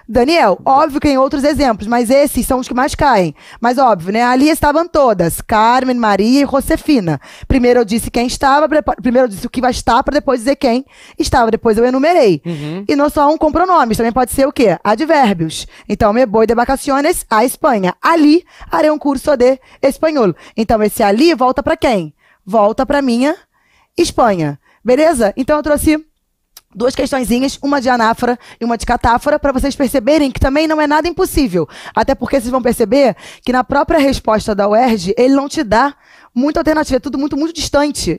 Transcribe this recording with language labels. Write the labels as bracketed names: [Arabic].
[Portuguese] Daniel, óbvio que tem outros exemplos, mas esses são os que mais caem. Mas óbvio, né? Ali estavam todas, Carmen, Maria e Josefina. Primeiro eu disse quem estava, primeiro eu disse o que vai estar, para depois dizer quem estava. Depois eu enumerei. Uhum. E não só um com pronomes, também pode ser o quê? Advérbios. Então, [Spanish] me voy de vacaciones a España. [Portuguese] Ali, [Spanish] haré [Portuguese] um curso de espanhol. Então, esse ali volta para quem? Volta para minha Espanha. Beleza? Então, eu trouxe... duas questõezinhas, uma de anáfora e uma de catáfora, para vocês perceberem que também não é nada impossível. Até porque vocês vão perceber que na própria resposta da UERJ, ele não te dá muita alternativa, é tudo muito, muito distante.